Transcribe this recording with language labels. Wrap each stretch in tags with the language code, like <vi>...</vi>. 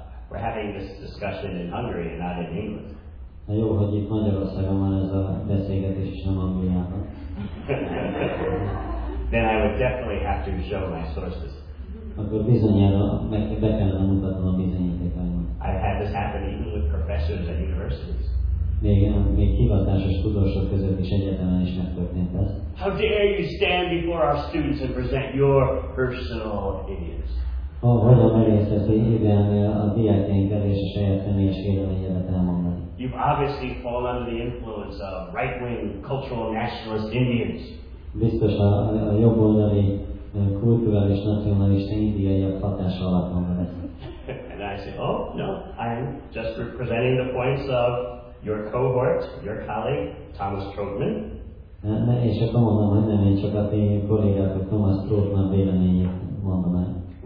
<en>We're having this discussion in Hungary and not in England.</en> <hu>Na jó, hogy itt Magyarországon van ez a beszélgetés, és nem Angliában.</hu> <en>Then I would definitely have to show my sources.</en> <hu>Akkor bizonyára be kellene mutatnom a bizonyítékaimat.</hu> <en>I've had this happen even with professors at universities.</en> <hu>Még hivatásos tudósok között is egyetemen is megtörtént ez.</hu> <en>How dare you stand before our students and present your personal opinions?</en> <hu>Hogyan merészhetsz ideállni a diákjainkkal és a saját személyes véleményedet elmondani?</hu> <en>You've obviously fallen under the influence of right-wing cultural nationalist Indians.</en> <hu>Biztos a jobboldali kulturális nacionalista indiaiak hatása alatt van ez.</hu> <en>And I say, oh, no, I'm just representing the points of your cohort, your colleague, Thomas Troutman.</en> <hu>És akkor mondom, hogy nem, én csak a ti kollégátok Thomas Troutman véleményét mondom el.</hu>